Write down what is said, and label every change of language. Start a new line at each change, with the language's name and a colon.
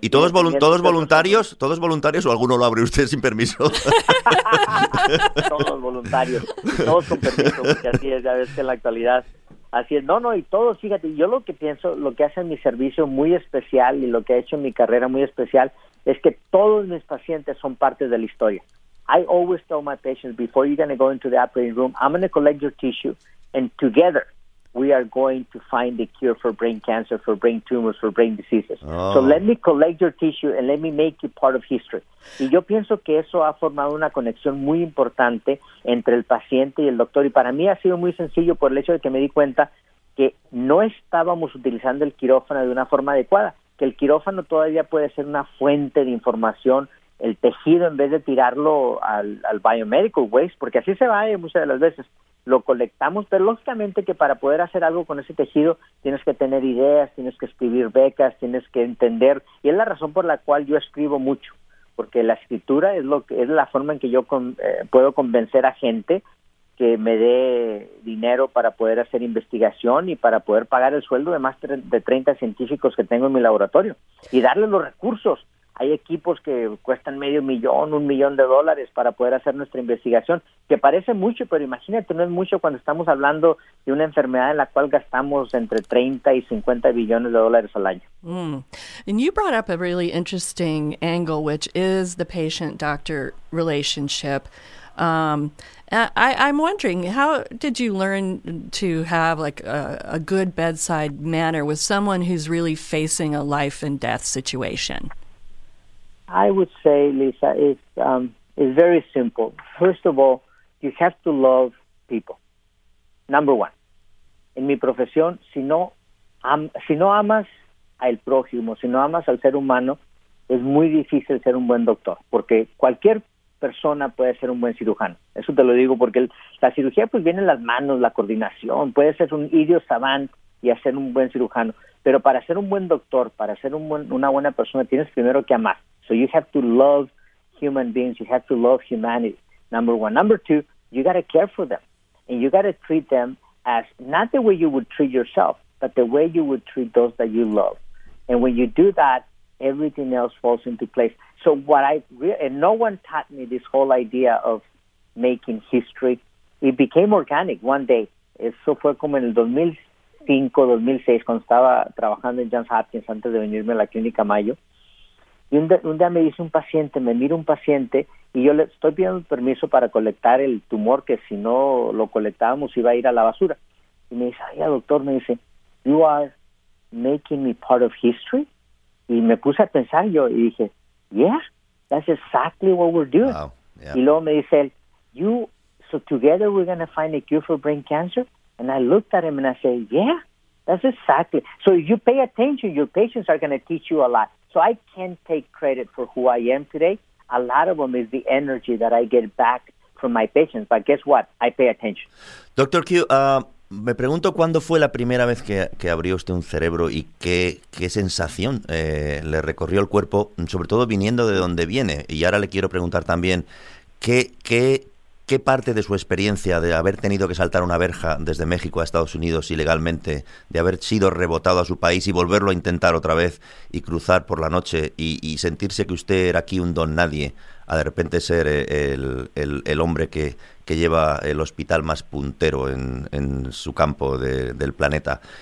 Spanish: ¿Y todos todos voluntarios? ¿Todos voluntarios o alguno lo abre usted sin permiso? Todos voluntarios. Todos con permiso, porque así es, ya ves que en la actualidad. Así es. No, y todos, fíjate, yo lo que pienso, lo que hace mi servicio muy especial y lo que ha hecho en mi carrera muy especial es que todos mis pacientes son parte de la historia.
English: I always tell my patients, before you're going to go into the operating room, I'm going to collect your tissue and together we are going to find the cure for brain cancer, for brain tumors, for brain diseases. Oh. So let me collect your tissue and let me make you part of history.
Spanish: Y yo pienso que eso ha formado una conexión muy importante entre el paciente y el doctor. Y para mí ha sido muy sencillo por el hecho de que me di cuenta que no estábamos utilizando el quirófano de una forma adecuada, que el quirófano todavía puede ser una fuente de información, el tejido, en vez de tirarlo al
English: biomedical waste,
Spanish: porque así se va muchas de las veces. Lo colectamos, pero lógicamente que para poder hacer algo con ese tejido tienes que tener ideas, tienes que escribir becas, tienes que entender, y es la razón por la cual yo escribo mucho, porque la escritura es la forma en que yo puedo convencer a gente que me dé dinero para poder hacer investigación y para poder pagar el sueldo de más de 30 científicos que tengo en mi laboratorio y darles los recursos. Hay equipos que cuestan $500,000, $1,000,000 para poder hacer nuestra investigación, que parece mucho, pero imagínate, no es mucho cuando estamos hablando de una enfermedad en la cual gastamos entre 30 y 50 billones de dólares al año. Mm.
English: And you brought up a really interesting angle, which is the patient-doctor relationship. I'm wondering, how did you learn to have like a good bedside manner with someone who's really facing a life and death situation? I would say, Lisa, it's very simple. First of all, you have to love people. Number one,
Spanish: en mi profesión, si no amas al prójimo, si no amas al ser humano, es muy difícil ser un buen doctor, porque cualquier persona puede ser un buen cirujano. Eso te lo digo porque la cirugía pues viene en las manos, la coordinación, puede ser un idio savant y hacer un buen cirujano. Pero para ser un buen doctor, para ser una buena persona, tienes primero que amar.
English: So you have to love human beings, you have to love humanity, number one. Number two, you got to care for them. And you got to treat them as not the way you would treat yourself, but the way you would treat those that you love. And when you do that, everything else falls into place. So what and no one taught me this whole idea of making history. It became organic one day.
Spanish: Eso fue como en el 2005, 2006, cuando estaba trabajando en Johns Hopkins antes de venirme a la Clínica Mayo. Y un día me mira un paciente, y yo le estoy pidiendo permiso para colectar el tumor, que si no lo colectábamos iba a ir a la basura. Y me dice, ay, doctor, me dice,
English: you are making me part of history.
Spanish: Y me puse a pensar yo y dije,
English: yeah, that's exactly what we're doing. Wow. Yeah.
Spanish: Y luego me dice,
English: so together we're going to find a cure for brain cancer? And I looked at him and I said, yeah, that's exactly. So if you pay attention, your patients are going to teach you a lot. So I can't take credit for who I am today. A lot of them is the energy that I get back from my patients. But guess what? I pay attention.
Spanish: Dr. Q, me pregunto cuándo fue la primera vez que abrió usted un cerebro y qué sensación le recorrió el cuerpo, sobre todo viniendo de donde viene. Y ahora le quiero preguntar también, ¿qué parte de su experiencia de haber tenido que saltar una verja desde México a Estados Unidos ilegalmente, de haber sido rebotado a su país y volverlo a intentar otra vez y cruzar por la noche y sentirse que usted era aquí un don nadie, a de repente ser el hombre que lleva el hospital más puntero en su campo del planeta?